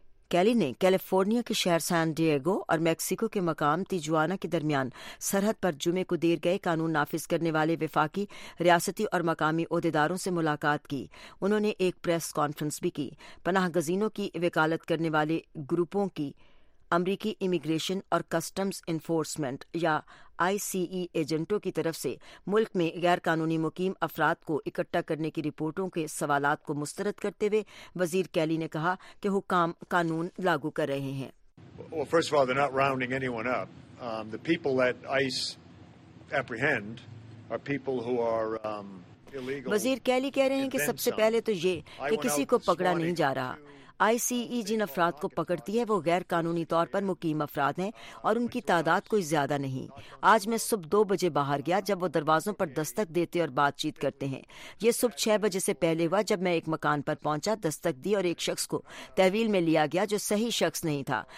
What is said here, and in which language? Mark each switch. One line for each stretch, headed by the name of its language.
Urdu: کیلی نے کیلیفورنیا کے شہر سان ڈیگو اور میکسیکو کے مقام تیجوانا کے درمیان سرحد پر جمعے کو دیر گئے قانون نافذ کرنے والے وفاقی، ریاستی اور مقامی عہدیداروں سے ملاقات کی۔ انہوں نے ایک پریس کانفرنس بھی کی۔ پناہ گزینوں کی وکالت کرنے والے گروپوں کی امریکی امیگریشن اور کسٹمز انفورسمنٹ یا آئی سی ای ایجنٹوں کی طرف سے ملک میں غیر قانونی مقیم افراد کو اکٹھا کرنے کی رپورٹوں کے سوالات کو مسترد کرتے ہوئے وزیر کیلی نے کہا کہ حکام قانون لاگو کر رہے ہیں.
English: Well, first of all, they're not rounding anyone up. The people that ICE apprehend are people who are illegal.
Urdu: وزیر کیلی کہہ رہے ہیں کہ سب سے پہلے تو یہ کہ کسی کو پکڑا نہیں جا رہا. آئی سی ای جن افراد کو پکڑتی ہے وہ غیر قانونی طور پر مقیم افراد ہیں اور ان کی تعداد کوئی زیادہ نہیں. آج میں صبح 2 بجے باہر گیا جب وہ دروازوں پر دستک دیتے اور بات چیت کرتے ہیں. یہ صبح 6 بجے سے پہلے ہوا جب میں ایک مکان پر پہنچا, دستک دی اور ایک شخص کو تحویل میں لیا گیا جو صحیح شخص نہیں تھا.